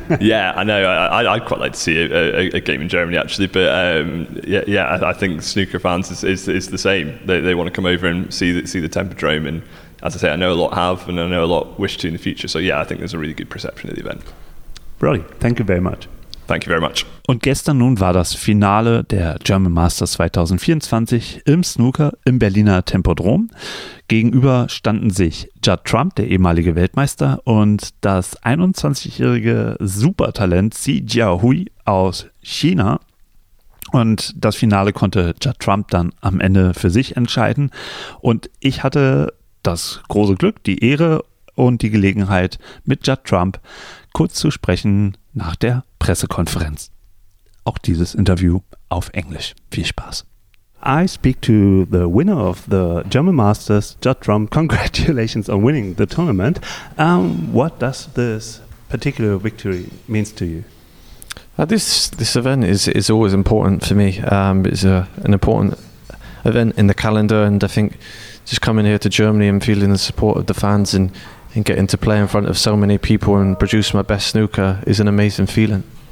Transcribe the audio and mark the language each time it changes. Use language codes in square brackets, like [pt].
[en] Yeah, I know. I'd quite like to see a game in Germany actually, but I think snooker fans is the same. They want to come over and see the Tempodrome, and as I say, I know a lot have, and I know a lot wish to in the future. So yeah, I think there's a really good perception of the event. Brilliant. Thank you very much. Thank you very much. [de] Und gestern nun war das Finale der German Masters 2024 im Snooker im Berliner Tempodrom. Gegenüber standen sich Judd Trump, der ehemalige Weltmeister, und das 21-jährige Supertalent Xi Jiahui aus China. Und das Finale konnte Judd Trump dann am Ende für sich entscheiden. Und ich hatte das große Glück, die Ehre und die Gelegenheit, mit Judd Trump kurz zu sprechen nach der Pressekonferenz. Auch dieses Interview auf Englisch. Viel Spaß. [en] I speak to the winner of the German Masters, Judd Trump. Congratulations on winning the tournament. What does this particular victory mean to you? This event is always important for me. It's an important event in the calendar, and I think just coming here to Germany and feeling the support of the fans and getting to play in front of so many people and produce my best snooker is an amazing feeling.